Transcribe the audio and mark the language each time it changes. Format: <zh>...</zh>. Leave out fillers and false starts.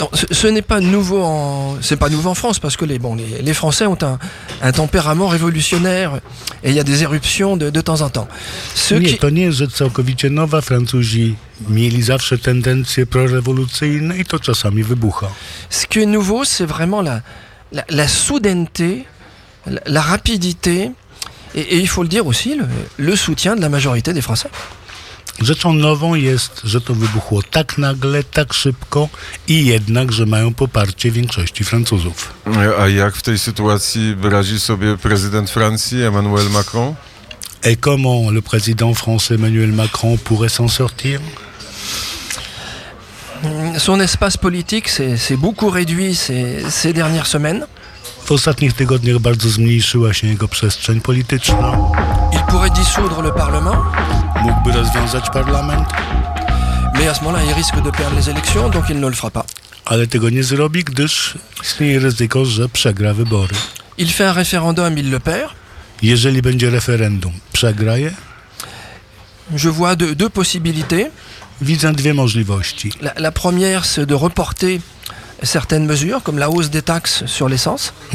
<fr>C'est pas nouveau en France parce que les Français ont un tempérament révolutionnaire et il y a des éruptions de temps en temps.</fr> <pl>To nie jest rzecz całkowicie nowa. Francuzi mieli zawsze tendencje prorewolucyjne i to czasami wybucha.</pl> <fr>Ce qui est nouveau, c'est vraiment la soudaineté, la rapidité et il faut le dire aussi le soutien de la majorité des Français.</fr> <pl>Rzeczą nową jest, że to wybuchło tak nagle, tak szybko i jednak, że mają poparcie większości Francuzów. A jak w tej sytuacji radzi sobie prezydent Francji, Emmanuel Macron?</pl> <fr>Et comment le président français Emmanuel Macron pourrait s'en sortir? Son espace politique s'est beaucoup réduit ces dernières semaines.</fr> <pl>W ostatnich tygodniach bardzo zmniejszyła się jego przestrzeń polityczna.</pl> <fr>Il pourrait dissoudre le parlement?</fr> <pl>Mógłby rozwiązać parlament.</pl> <fr>Mais à ce moment-là, il risque de perdre les élections, donc il ne le fera pas.</fr> <pl>Ale tego nie zrobi, gdyż istnieje ryzyko, że przegra wybory.</pl> <fr>Il fait un référendum, il le perd.</fr> <pl>Jeżeli będzie referendum, przegra je.</pl> <fr>Je vois deux possibilités.</fr> <pl>Widzę dwie możliwości.</pl> <fr>La première, c'est de reporter certaines mesures, comme la hausse des taxes sur l'essence.</fr>